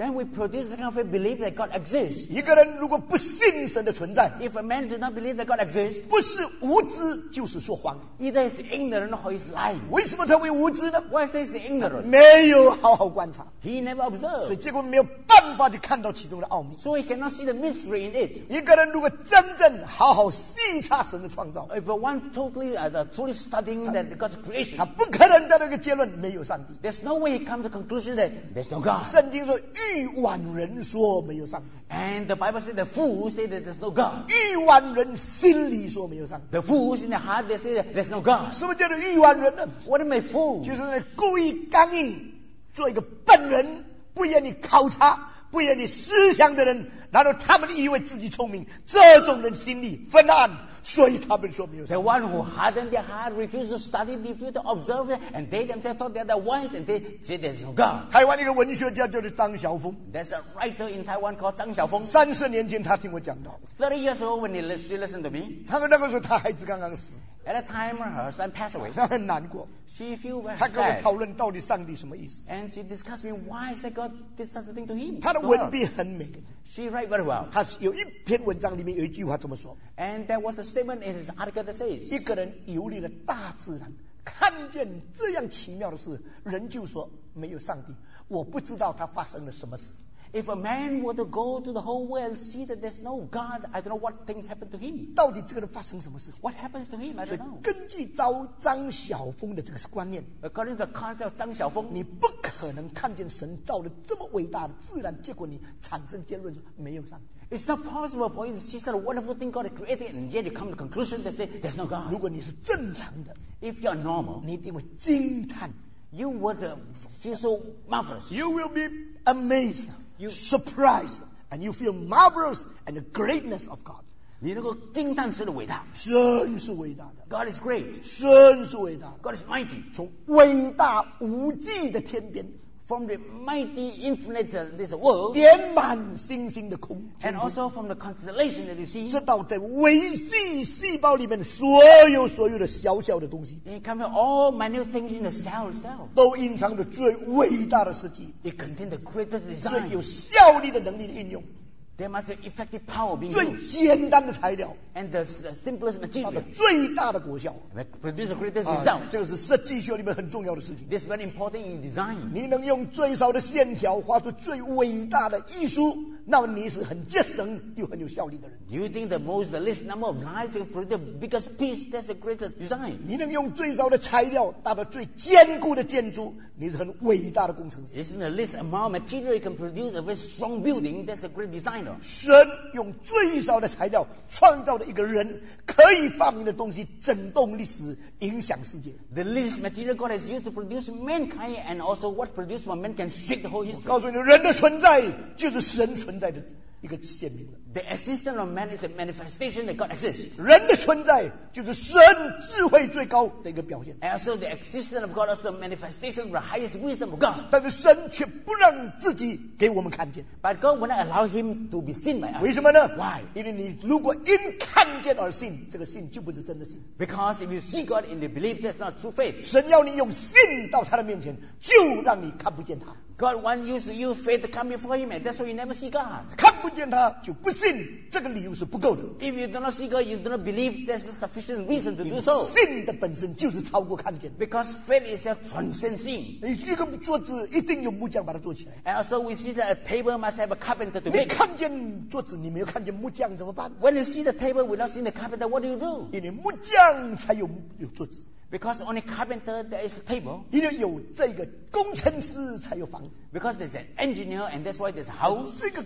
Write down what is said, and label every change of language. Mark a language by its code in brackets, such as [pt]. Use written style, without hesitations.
[en] Then we produce the kind of faith believe that God exists [zh] 一个人如果不信神的存在 [en] If a man does not believe that God exists [zh] 不是无知就是说谎 [en] Either he's ignorant or he's lying [zh] 为什么他会无知呢 [en] Why is he ignorant [zh] 没有好好观察 [en] He never observed [zh] 所以结果没有办法去看到其中的奥秘 [en] So he cannot see the mystery in it [zh] 一个人如果真正好好细察神的创造 [en] If one totally truly studying that God's creation [zh] 他不可能得到一个结论没有上帝 [en] There's no way he comes to the conclusion that there's no God [zh] 圣经说愚顽人说没有上帝 [en] And the Bible says the fools say that there's no God [zh] 愚顽人心里说没有上帝 [en] The fools in their heart they say that there's no God [zh] 什么叫做愚顽人呢 [en] What are my fools [zh] 就是故意刚硬做一个笨人不愿意考察不愿意思想的人然后他们以为自己聪明这种人心里昏暗所以他们说没有 [en] 上帝 The one who hardened their heart refused to study refused to observe and they themselves thought they are the wise and they say there's no God [zh] 台湾一个文学家叫做张晓峰 [en] There's a writer in Taiwan called 张晓峰 [zh] 三十年前他听我讲到 [en] 30 years ago when she listened to me [zh] 他说那个时候他孩子刚刚死 [en] At a time her son passed away [zh] 他很难过 [en] She feel very sad [zh] 他跟我讨论到底上帝什么意思 [en] And she discussed me why is that God did such a thing to him [zh] 他的文笔很美 [en] She write very well [zh] 他有一篇文章里面有一句话这么说 [en] And there was a statement in his article that says [zh] 一个人游历了大自然看见这样奇妙的事人就说没有上帝我不知道他发生了什么事 [en] If a man were to go to the whole world and see that there's no God I don't know what things happened to him [zh] 到底这个人发生什么事 [en] What happens to him I don't know [zh] 根据张晓峰的这个观念 [en] According to the concept of 张晓峰 [zh] 你不可能看见神造了这么伟大的自然结果你产生结论没有上帝 [en] It's not possible for you to see such a wonderful thing God created and yet you come to the conclusion that say there's no God [zh] 如果你是正常的 [en] If you're normal [zh] 你一定会惊叹 [en] You would feel so marvelous. You will be amazed, you, surprised, and you feel marvelous and the greatness of God. [zh] 你能够惊叹神的伟大, 神是伟大的, [en] God is great. [zh] 神是伟大的, [en] God is mighty. [zh] 从伟大无际的天边, [en] from the mighty infinite this world, [zh] 点满星星的空, [en] and also from the constellation that you see, [zh] 直到在微细细胞里面所有所有的小小的东西, [en] and it comes from all minute things in the cell itself, [zh] 都隐藏着最伟大的设计, [en] it contains the greatest design, [zh] 最有效力的能力的应用, [en] there must be effective power being [zh] 最简单的材料, [en] and the simplest material, [zh] 它的最大的果效, [en] produce the greatest result. [zh] 这个是设计学里面很重要的事情, [en] this is very important in design. [zh] 你能用最少的线条画出最伟大的艺术, 那么你是很节省又很有效率的人。 [en] Do you think the most the least number of lines can produce the biggest piece? That's the greatest design. [zh] 你能用最少的材料达到最坚固的建筑, 你是很伟大的工程师。 [en] This is the least amount of material you can produce a very strong building. That's a great design. [zh] 神用最少的材料创造了一个人可以发明的东西，震动历史，影响世界。 [en] The least material God has used to produce mankind, and also what produced from man can shake the whole history. [zh] 我告诉你，人的存在就是神存在的一个显明了。 [en] The existence of man is a manifestation that God exists. [zh] 人的存在就是神智慧最高的一个表现。 [en] And also the existence of God is a manifestation of the highest wisdom of God. [zh] 但是神却不让自己给我们看见。 [en] But God will not allow him to be seen by us. [zh] 为什么呢？ [en] Why? [zh] 因为你如果因看见而信， 这个信就不是真的信。 [en] Because if you see God and you believe, that's not true faith. [zh] 神要你用信到他的面前， 就让你看不见他。 [en] God wants you to use faith to come before him, and that's why you never see God. [zh] 看不见他就不信， 这个理由是不够的。 [en] If you do not see God, you do not believe, there's a sufficient reason to do so. [zh] 信的本身就是超过看见。 [en] Because faith itself transcends seeing. [zh] 一个桌子一定有木匠把它做起来。 [en] And also we see that a table must have a carpenter to make. [zh] 你看见桌子，你没有看见木匠怎么办？ [en] When you see the table without seeing the carpenter, what do you do? [zh] 因为木匠才有桌子。 [en] Because only carpenter there is a table. [zh] 因为有这个工程师才有房子。 [en] Because there's an engineer and that's why there's a house.